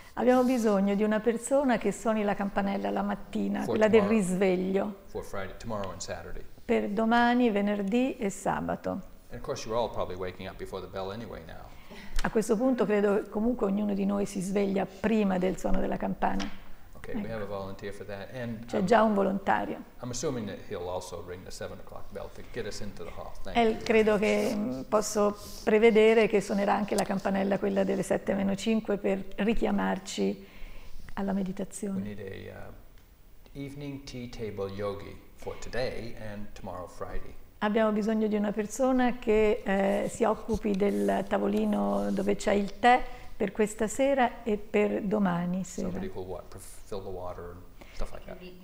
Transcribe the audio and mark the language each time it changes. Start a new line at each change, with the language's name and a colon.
Italian: Abbiamo bisogno di una persona che suoni la campanella la mattina, quella del risveglio.
English: For Friday, tomorrow and Saturday.
Italian: Per domani, venerdì e sabato.
English: And of course you're all probably waking up before the bell anyway now.
Italian: A questo punto credo che comunque ognuno di noi si sveglia prima del suono della campana.
English: Okay, ecco. We have a volunteer for that. And
Italian: c'è già un volontario.
English: I'm assuming that he'll also ring the 7 o'clock bell to get us into the hall. Thank you.
Italian: Credo che posso prevedere che suonerà anche la campanella quella delle 7 meno 5 per richiamarci alla meditazione.
English: We need a evening tea table yogi for today and tomorrow Friday.
Italian: Abbiamo bisogno di una persona che si occupi del tavolino dove c'è il tè per questa sera e per domani sera.
English: Somebody who will what, fill the water and stuff like that.